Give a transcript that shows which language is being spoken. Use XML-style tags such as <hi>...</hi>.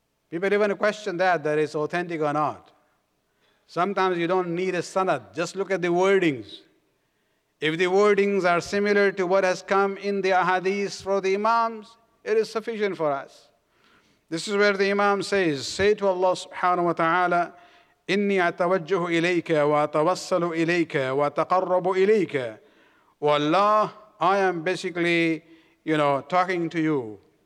<en>People even question that it's authentic or not. Sometimes you don't need a sanad. Just look at the wordings. If the wordings are similar to what has come in the ahadith for the Imams, it is sufficient for us. This is where the Imam says, say to Allah subhanahu wa ta'ala,</en> <ar>إني أتوجه إليك وأتوصل إليك وأتقرب إليك.</ar> <en>والله, I am basically, you know, talking to you.</en>